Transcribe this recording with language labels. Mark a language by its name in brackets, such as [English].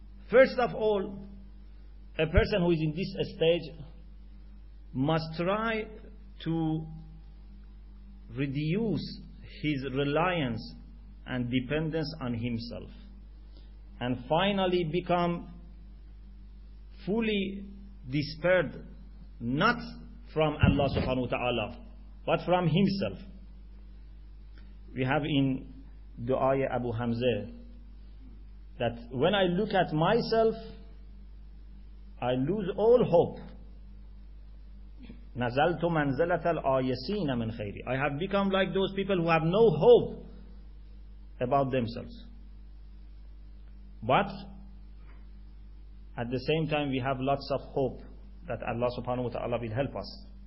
[English] First of all, a person who is in this stage must try to reduce his reliance and dependence on himself, and finally become fully despaired, not from Allah subhanahu wa ta'ala, but from himself. We have in Du'a Abu Hamza that when I look at myself, I lose all hope. [Arabic] نزلت منزلة الآيسين من خيري. [English] I have become like those people who have no hope about themselves. But at the same time, we have lots of hope that Allah subhanahu wa ta'ala will help us.